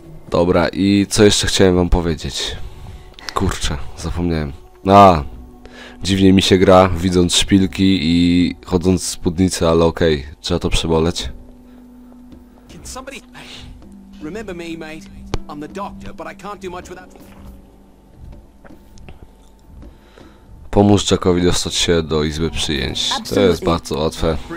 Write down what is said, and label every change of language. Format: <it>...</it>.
<pl>Dobra, i co jeszcze chciałem wam powiedzieć? Kurczę, zapomniałem. A, dziwnie mi się gra, widząc szpilki i chodząc w spódnicy, ale okej, okay, trzeba to przeboleć.</pl> <en>Can somebody... Remember me, mate. I'm the doctor, but I can't do much without...</en> <pl>Pomóż Jackowi dostać się do izby przyjęć. To jest bardzo łatwe.</pl>